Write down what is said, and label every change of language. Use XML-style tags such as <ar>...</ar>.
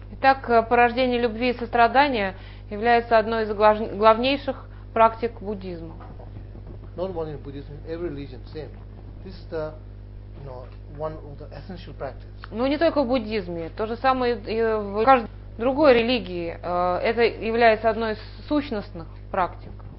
<ru>Итак, порождение любви и сострадания является одной из главнейших практик буддизма.</ru> <en>Not only in Buddhism, every religion same. This is the, one of the essential practices.</en> <ru>Ну не только в буддизме, то же самое и в каждой другой религии это является одной из сущностных практик.</ru>